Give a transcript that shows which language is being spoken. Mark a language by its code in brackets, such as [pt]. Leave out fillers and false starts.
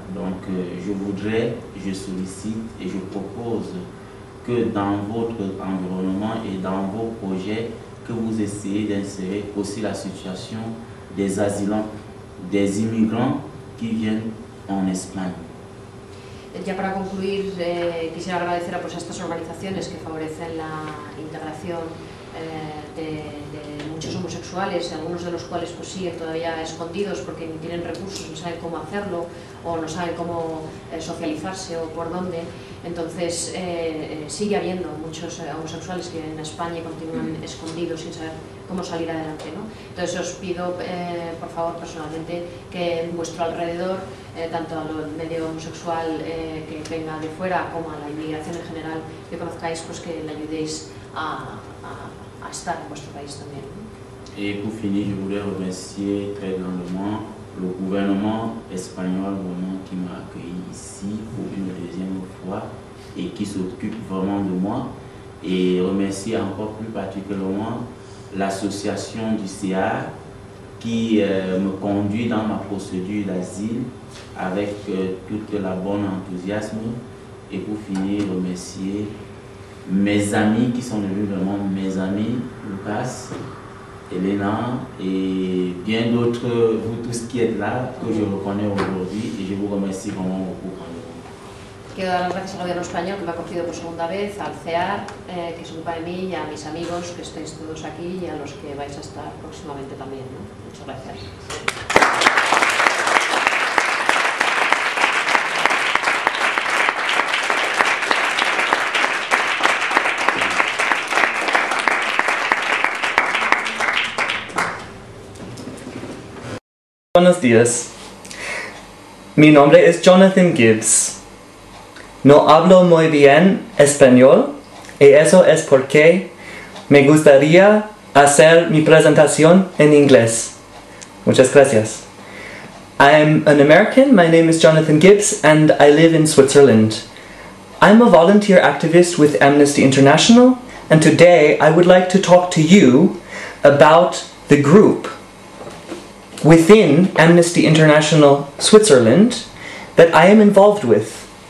[fr] Donc je sollicite et je propose que dans votre environnement et dans vos projets, que vous essayez d'insérer aussi la situation des asylants, des immigrants qui viennent en Espagne. [es] Ya para concluir, quisiera agradecer a estas organizaciones que favorecen la integración de muchos homosexuales, algunos de los cuales pues siguen todavía escondidos porque ni tienen recursos, no saben cómo hacerlo o no saben cómo socializarse o por dónde. Entonces sigue habiendo muchos homosexuales que en España continúan escondidos sin saber cómo salir adelante, ¿no? Entonces os pido por favor personalmente que en vuestro alrededor, tanto al medio homosexual que venga de fuera como a la inmigración en general que conozcáis, pues que le ayudéis a estar en vuestro país también. [fr] Y por finir, yo voulais remercier très grandement le gouvernement espagnol vraiment qui m'a accueilli ici pour une deuxième fois et qui s'occupe vraiment de moi, et remercier encore plus particulièrement l'association du CA qui me conduit dans ma procédure d'asile avec toute la bonne enthousiasme. Et pour finir, remercier mes amis qui sont devenus vraiment mes amis, Lucas, Elena et bien d'autres, vous tous qui êtes là, que je reconnais aujourd'hui, et je vous remercie vraiment beaucoup. [es] Quiero dar las gracias al gobierno español que me ha acogido por segunda vez, al CEAR, que se ocupa de mí, y a mis amigos que estáis todos aquí y a los que vais a estar próximamente también, ¿no? Muchas gracias. Buenos días. Mi nombre es Jonathan Gibbs. No hablo muy bien español, y eso es porque me gustaría hacer mi presentación en inglés. Muchas gracias. [en] I am an American. My name is Jonathan Gibbs, and I live in Switzerland. I'm a volunteer activist with Amnesty International, and today I would like to talk to you about the group within Amnesty International Switzerland that I am involved with.